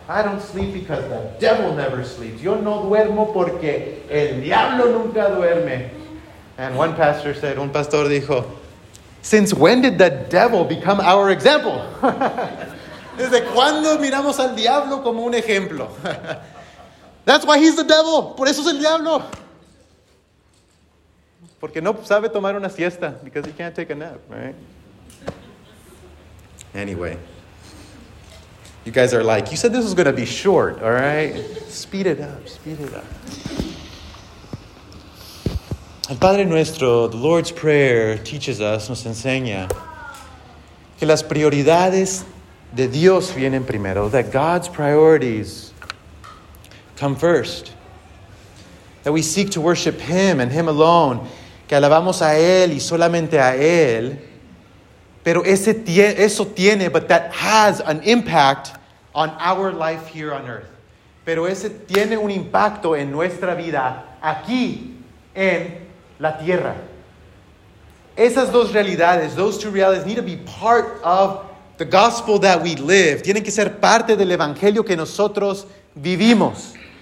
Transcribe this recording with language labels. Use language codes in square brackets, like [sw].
[en] I don't sleep because the devil never sleeps. [es] Yo no duermo porque el diablo nunca duerme. [en] And one pastor said, [es] un pastor dijo, [en] since when did the devil become our example? [es] ¿Desde cuándo miramos al diablo como un ejemplo? [en] That's why he's the devil. [es] Por eso es el diablo. Porque no sabe tomar una siesta. [en] Because he can't take a nap, right? Anyway. You guys are like, you said this was going to be short, all right? Speed it up, speed it up. El Padre Nuestro, the Lord's Prayer, teaches us, [es] nos enseña, que las prioridades de Dios vienen primero, [en] that God's priorities come first, that we seek to worship Him and Him alone, [es] que alabamos a Él y solamente a Él, pero eso tiene, [en] but that has an impact on our life here on earth. [es] Pero ese tiene un impacto en nuestra vida aquí en la tierra. Esas dos realidades, [en] those two realities need to be part of the gospel that we live. [es] Tienen que ser parte del evangelio que nosotros vivimos.